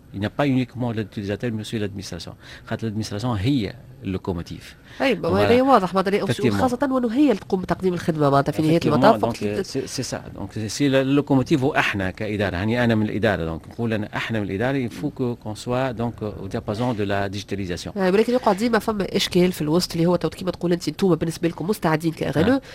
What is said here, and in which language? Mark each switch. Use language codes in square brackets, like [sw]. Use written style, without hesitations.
[fr] il n'y a pas uniquement l'utilisateur, mais aussi l'administration. Car l'administration est le locomotif. [ar] Oui, واضح معناتها [fr] effectivement. [ar] خاصة وأنه هي اللي تقوم بتقديم الخدمة معناتها في نهاية المطاف. [fr] C'est ça. Donc, c'est le locomotif ou [ar] احنا كإدارة. يعني أنا من الإدارة. [fr] Donc, [ar] نقول أنا احنا من الإدارة, [fr] il faut qu'on soit donc au diapason de la digitalisation. [ar] ولكن يقعد ديما فما إشكال في الوسط اللي هو تو كيما تقول أنتم بالنسبة لكم مستعدين كأغلو.